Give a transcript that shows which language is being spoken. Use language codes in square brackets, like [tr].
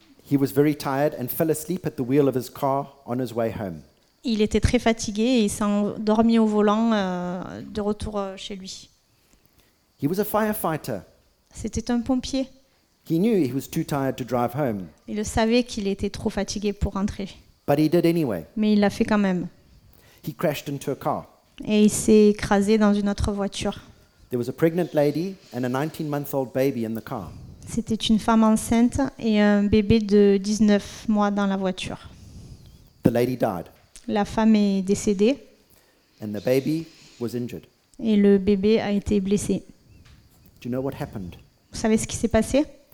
[en] He was very tired and fell asleep at the wheel of his car on his way home. [fr] Il était très fatigué et s'est endormi au volant de retour chez lui. [en] He was a firefighter. [fr] C'était un pompier. [en] He knew he was too tired to drive home. [fr] Il savait qu'il était trop fatigué pour rentrer. [en] But he did anyway. [fr] Mais il l'a fait quand même. [en] He crashed into a car. [fr] Et il s'est écrasé dans une autre voiture. [en] There was a pregnant lady and a 19-month-old baby in the car. [fr] C'était une femme enceinte et un bébé de 19 mois dans la voiture. [en] The lady died. [fr] La femme est décédée. [en] And the baby was injured. [fr] Et le bébé a été blessé. [en] Do you know what happened? [fr] Vous savez ce qui s'est passé?